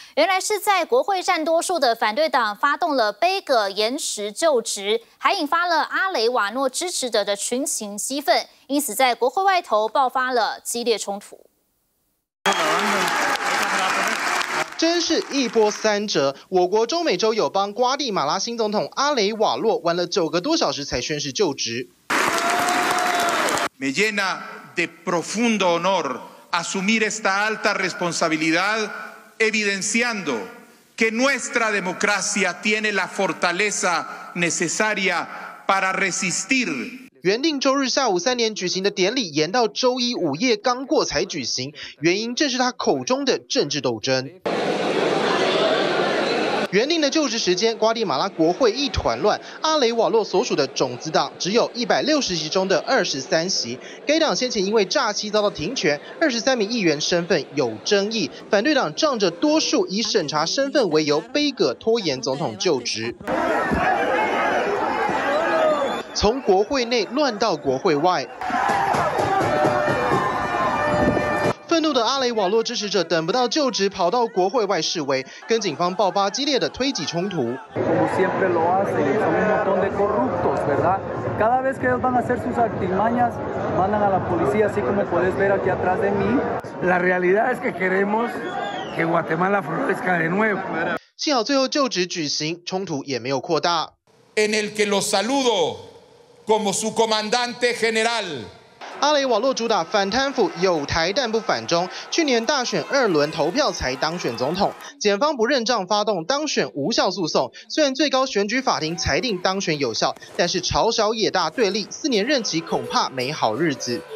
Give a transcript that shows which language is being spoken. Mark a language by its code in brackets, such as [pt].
[zh] 原来是在国会占多数的反对党发动了杯葛延时就职，还引发了阿雷瓦诺支持者的群情激愤，因此在国会外头爆发了激烈冲突。真是一波三折，我国中美洲友邦瓜地马拉新总统阿雷瓦洛玩了9小时才宣誓就职。 [es] Me llena de profundo honor asumir esta alta responsabilidad, evidenciando que nuestra democracia tiene la fortaleza necesaria para resistir。 [zh] 原定周日下午3点举行的典礼延到周一午夜刚过才举行，原因正是他口中的政治斗争。原定的就职时间，瓜地马拉国会一团乱。阿雷瓦洛所属的种子党只有160席中的23席，该党先前因为诈欺遭到停权，23名议员身份有争议。反对党仗着多数，以审查身份为由杯葛拖延总统就职。从国会内乱到国会外，愤怒的阿雷瓦洛支持者等不到就职，跑到国会外示威，跟警方爆发激烈的推挤冲突。幸好最后就职举行，冲突也没有扩大。 [es] En el que los saludo como su comandante general。 [zh] 阿雷瓦洛主打反贪腐，有台但不反中，去年大选二轮投票才当选总统，检方不认账发动当选无效诉讼，虽然最高选举法庭裁定当选有效，但是朝小野大对立，四年任期恐怕没好日子。